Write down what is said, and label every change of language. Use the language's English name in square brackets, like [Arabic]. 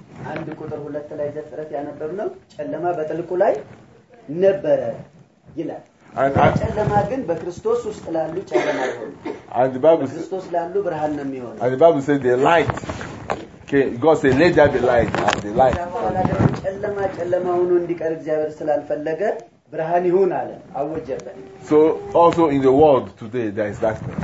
[Amharic] አንድ ቁጥር ሁለት ላይ ዘፍጥረት ያነበብነው ጨለማ በጥልቁ ላይ ነበር ይላል። አንድ ጨለማ ግን በክርስቶስ ውስጥ ላሉ ጨለማ ይሆናል። [English] And the Bible [Amharic] says ክርስቶስ ላሉ ብርሃን ነው የሚሆነው። [English] And the Bible says the light. Okay, God said let there be light and the light. [Amharic] ጨለማ ጨለማ ሆኖ እንዲቀር እግዚአብሔር ስላልፈለገ ብርሃን ይሁን አለ አወጀበት። [English] So also in the world today there is that.